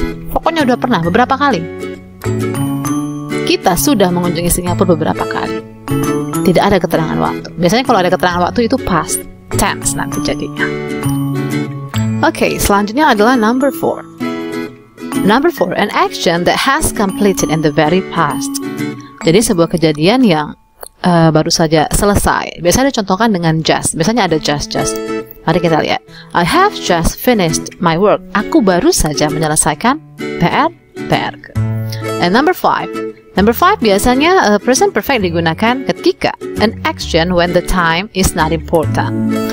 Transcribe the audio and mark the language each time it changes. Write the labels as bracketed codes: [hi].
[id] Pokoknya udah pernah beberapa kali. Kita sudah mengunjungi Singapura beberapa kali. Tidak ada keterangan waktu. Biasanya kalau ada keterangan waktu itu past tense nanti jadinya. Okay, selanjutnya adalah number 4. [en] Number 4, an action that has completed in the very past. [id] Jadi sebuah kejadian yang baru saja selesai. Biasanya dicontohkan dengan just. Biasanya ada just. Mari kita lihat. [en] I have just finished my work. [id] Aku baru saja menyelesaikan PR. [en] And number 5. Number 5 [id] biasanya present perfect digunakan ketika [en] an action when the time is not important.